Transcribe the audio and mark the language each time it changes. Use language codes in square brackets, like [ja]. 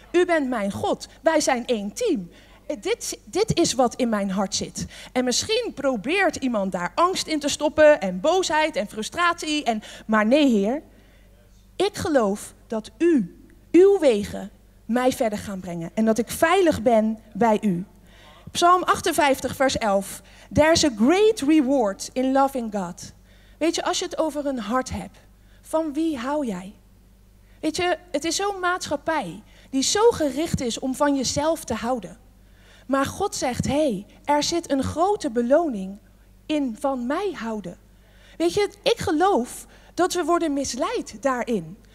[nl] U bent mijn God, wij zijn één team. Dit is wat in mijn hart zit. En misschien probeert iemand daar angst in te stoppen en boosheid en frustratie. Maar nee, Heer, ik geloof dat uw wegen mij verder gaan brengen en dat ik veilig ben bij u. Psalm 58, vers 11. [en] There's a great reward in loving God. [nl] Weet je, als je het over een hart hebt, van wie hou jij? Weet je, het is zo'n maatschappij die zo gericht is om van jezelf te houden. Maar God zegt, hey, er zit een grote beloning in van mij houden. Weet je, ik geloof dat we worden misleid daarin.